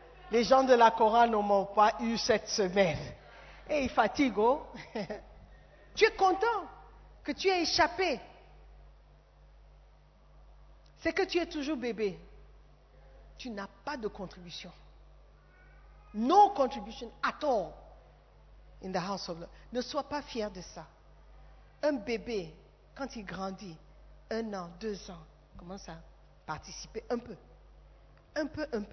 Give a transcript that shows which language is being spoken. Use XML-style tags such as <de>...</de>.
<fr>Les gens de la chorale ne m'ont pas eu cette semaine. Et ils fatiguent. Tu es content que tu aies échappé. c'est que tu es toujours bébé. Tu n'as pas de contribution.</fr> <en>No contribution at all in the house of Lord.</en> <fr>Ne sois pas fier de ça. Un bébé, quand il grandit, 1 an, 2 ans, commence à participer un peu. Un peu.</fr>